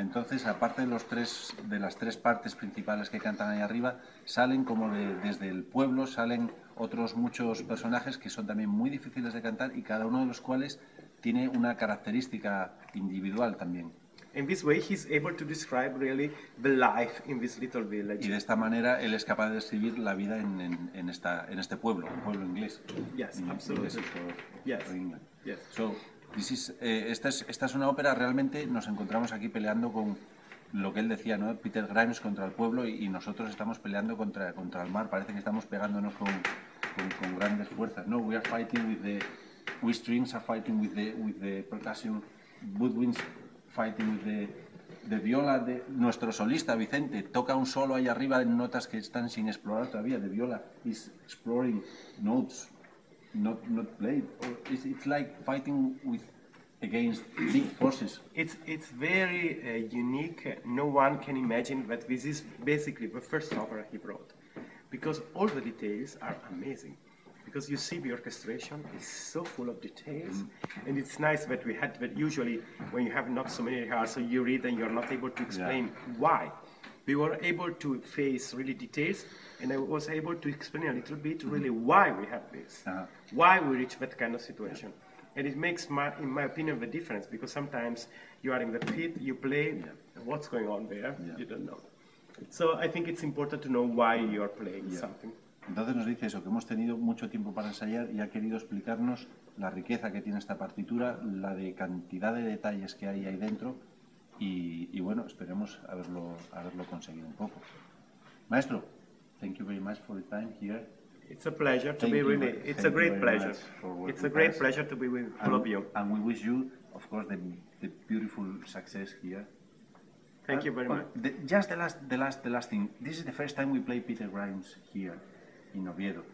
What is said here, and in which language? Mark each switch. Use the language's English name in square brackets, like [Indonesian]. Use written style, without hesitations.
[Spanish] Entonces, aparte de las tres partes principales que cantan ahí arriba, salen como desde el pueblo, salen otros muchos personajes que son también muy difíciles de cantar, y cada uno de los cuales tiene una característica individual también. [English] In this way, he's able to describe really the life in this little village. [Spanish] Y de esta manera, él es capaz de describir la vida en este pueblo, un pueblo inglés. [English] Yes, absolutely. Yes. Yes. [Spanish] Esta es una ópera, realmente nos encontramos aquí peleando con lo que él decía, ¿no? Peter Grimes contra el pueblo, y nosotros estamos peleando contra el mar. Parece que estamos pegándonos con grandes fuerzas. [English] No, we are fighting with the strings are fighting with the percussion, woodwinds fighting with the viola. [Spanish] Nuestro solista Vicente toca un solo ahí arriba en notas que están sin explorar todavía. [English] The viola is exploring notes not played. It's like fighting against big forces. It's very unique. No one can imagine that this is basically the first opera he wrote, because all the details are amazing. Because you see, the orchestration is so full of details, and it's nice that we had. But usually, when you have not so many rehearsals, so you read and you're not able to explain why. We were able to face really details, and I was able to explain a little bit really why we have this, why we reach that kind of situation. And it makes, in my opinion, the difference, because sometimes you are in the pit, you play, what's going on there, you don't know. So I think it's important to know why you are playing something. Entonces nos dice eso, que hemos tenido mucho tiempo para ensayar y ha querido explicarnos la riqueza que tiene esta partitura, la de cantidad de detalles que hay ahí dentro y bueno, esperemos haberlo conseguido un poco. Maestro, thank you very much for the time here. It's a pleasure to be with you. It's a great pleasure. It's a great pleasure to be with all of you. And we wish you, of course, the beautiful success here. Thank you very much. The last thing. This is the first time we play Peter Grimes here in Oviedo.